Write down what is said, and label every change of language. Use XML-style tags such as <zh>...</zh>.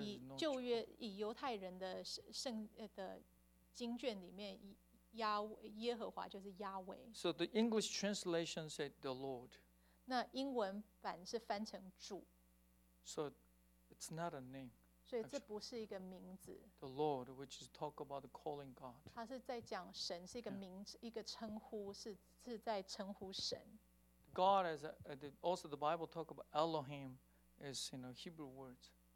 <zh>以旧约以犹太人的圣的经卷里面。耶和华就是亚维。</zh> <en>So the English translation said the Lord.</en> <zh>那英文版是翻成主。</zh> <en>So it's not a name.</en> <zh>所以这不是一个名字。</zh> <en>The Lord, which is talk about calling God.</en> <zh>他是在讲神是一个名字、yeah. 一个称呼是在称呼神。</zh> <en>God is also the Bible talk about Elohim is you know Hebrew words.</en>